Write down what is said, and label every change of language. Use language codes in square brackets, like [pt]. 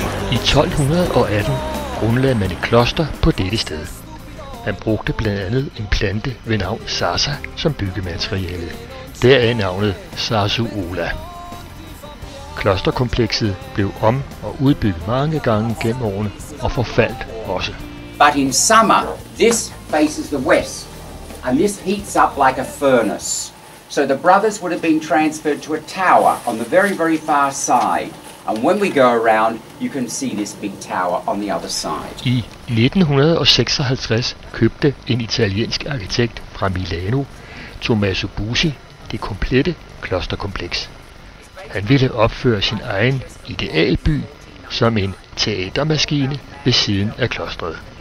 [da] I 1218 grundlagde man et kloster på dette sted. Han brugte blandt andet en plante ved navn Sarsa som byggemateriale. Deraf navnet Scarzuola. Klosterkomplekset blev om- og udbygget mange gange gennem årene og forfaldt også. [en] But in summer, this faces the west, and this heats up like a furnace. So the brothers would have been transferred to a tower on the very, very far side. And when we go around, you can see this big tower on the other side. [da] I 1956 købte en italiensk arkitekt fra Milano, Tommaso Busi, det komplette klosterkompleks. Han ville opføre sin egen idealby som en teatermaskine ved siden af klostret.